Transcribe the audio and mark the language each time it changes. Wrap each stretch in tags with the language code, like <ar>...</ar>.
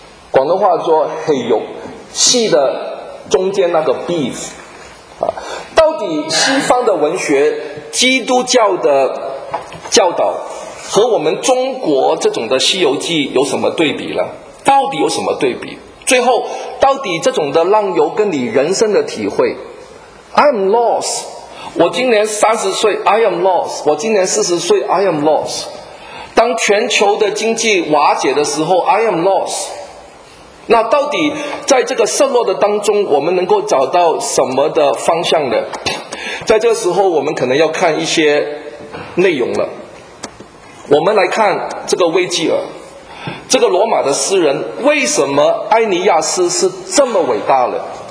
<zh>广东话说嘿呦，戏的中间那个 beef 啊，到底西方的文学、基督教的教导和我们中国这种的《西游记》有什么对比呢？到底有什么对比？最后，到底这种的浪游跟你人生的体会 ？</zh> <en>I'm lost。</en> <zh>我今年30岁 ，</zh> <en>I am lost。</en> <zh>我今年40岁 ，I am lost。当全球的经济瓦解的时候 ，</zh> <en>I am lost。</en> <zh>那到底在这个失落的当中我们能够找到什么的方向呢？在这个时候我们可能要看一些内容了。我们来看这个魏继尔，这个罗马的诗人，为什么艾尼亚斯是这么伟大的？</zh>